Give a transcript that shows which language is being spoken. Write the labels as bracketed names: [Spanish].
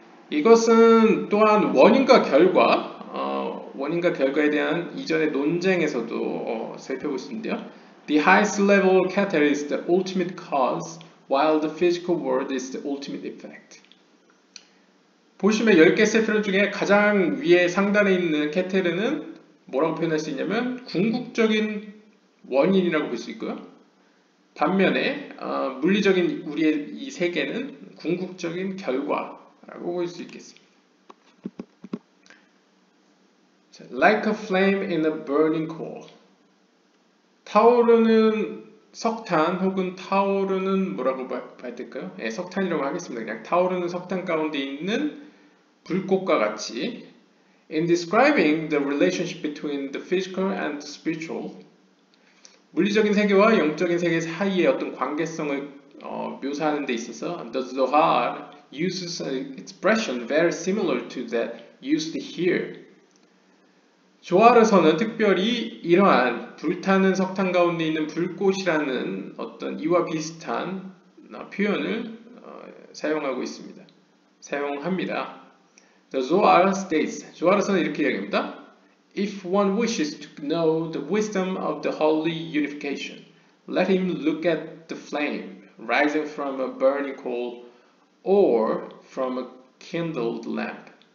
[Korean] 이것은 또한 원인과 결과, 원인과 결과에 대한 이전의 논쟁에서도 살펴볼 수 있는데요. [English] The highest level keter is the ultimate cause, while the physical world is the ultimate effect. [Korean] 보시면 10개 세피론 중에 가장 위에 상단에 있는 케테르는 뭐라고 표현할 수 있냐면 궁극적인 원인이라고 볼 수 있고요. 반면에 물리적인 우리의 이 세계는 궁극적인 결과라고 볼 수 있겠습니다. [English] Like a flame in a burning coal. [Korean] 타오르는 석탄 혹은 타오르는 뭐라고 봐야 될까요? 네, 석탄이라고 하겠습니다. 그냥 타오르는 석탄 가운데 있는 불꽃과 같이 [English] In describing the relationship between the physical and the spiritual [Korean] 물리적인 세계와 영적인 세계 사이의 어떤 관계성을 묘사하는 데 있어서 [English] The Zohar uses an expression very similar to that used here. [Korean] 조하르서는 특별히 이러한 불타는 석탄 가운데 있는 불꽃이라는 어떤 이와 비슷한 표현을 사용하고 있습니다. 사용합니다. [English] The Zohar states, [Korean] 조하르서는 이렇게 이야기합니다. [English] If one wishes to know the wisdom of the holy unification, let him look at the flame rising from a burning coal or from a kindled lamp.